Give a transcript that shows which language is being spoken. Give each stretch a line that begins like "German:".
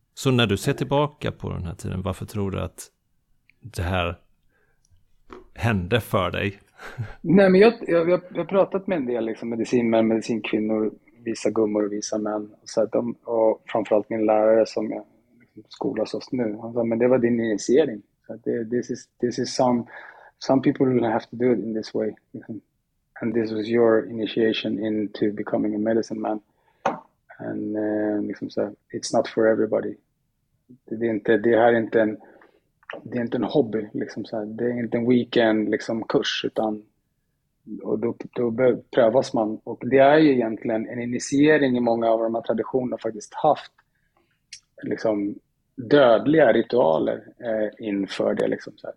Swedish: Så när du ser tillbaka på den här tiden, varför tror du att det här hände för dig? Nej, men jag har pratat med en del liksom, medicinmän, medicinkvinnor, vissa gummor och vissa män. Och framförallt min lärare som jag skolas hos nu. Han sa, men det var din initiering. Så att
English: this is some people don't have to do it in this way. And this was your initiation into becoming a medicine man. And
Swedish: liksom så här,
English: it's not for everybody.
Swedish: Det är inte en hobby, liksom så här. Det är inte en weekend liksom kurs, utan och då prövas man. Och det är ju egentligen en initiering i många av de här traditionerna, faktiskt haft liksom dödliga ritualer inför det. Liksom, så här.